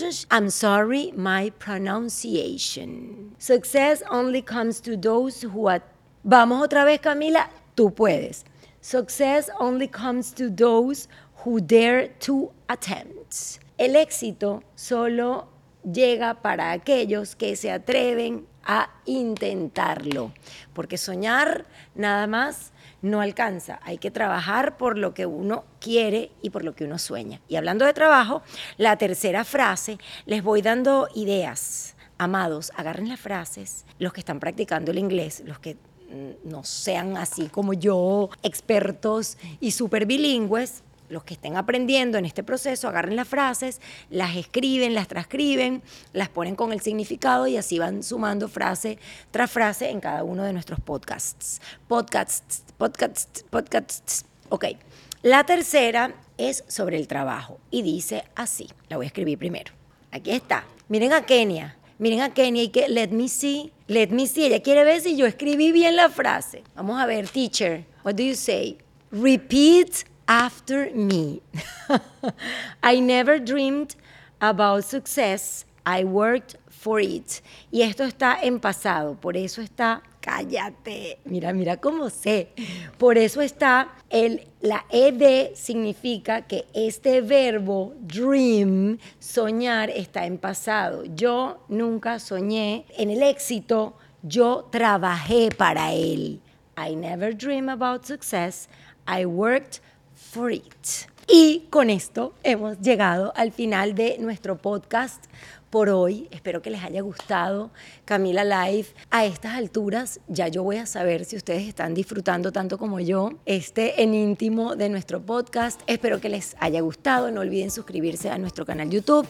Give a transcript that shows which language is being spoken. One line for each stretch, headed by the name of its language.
English: I'm sorry my pronunciation. Success only comes to those who are...
Spanish: Vamos otra vez, Camila, tú puedes.
English: Success only comes to those who dare to attempt.
Spanish: El éxito solo llega para aquellos que se atreven a intentarlo. Porque soñar nada más no alcanza. Hay que trabajar por lo que uno quiere y por lo que uno sueña. Y hablando de trabajo, la tercera frase, les voy dando ideas. Amados, agarren las frases, los que están practicando el inglés, los que no sean así como yo, expertos y súper bilingües, los que estén aprendiendo en este proceso, agarren las frases, las escriben, las transcriben, las ponen con el significado y así van sumando frase tras frase en cada uno de nuestros podcasts. Podcasts. Ok, la tercera es sobre el trabajo y dice así, la voy a escribir primero. Aquí está, miren a Kenia y que
English: let me see,
Spanish: ella quiere ver si yo escribí bien la frase. Vamos a ver,
English: teacher, what do you say? Repeat after me. I never dreamed about success, I worked for it.
Spanish: Y esto está en pasado, por eso está, cállate, mira, mira cómo sé. Por eso está, la ED significa que este verbo, dream, soñar, está en pasado. Yo nunca soñé en el éxito, yo trabajé para él.
English: I never dream about success, I worked for it.
Spanish: Y con esto hemos llegado al final de nuestro podcast por hoy. Espero que les haya gustado Camila Live. A estas alturas ya yo voy a saber si ustedes están disfrutando tanto como yo este en íntimo de nuestro podcast. Espero que les haya gustado. No olviden suscribirse a nuestro canal YouTube.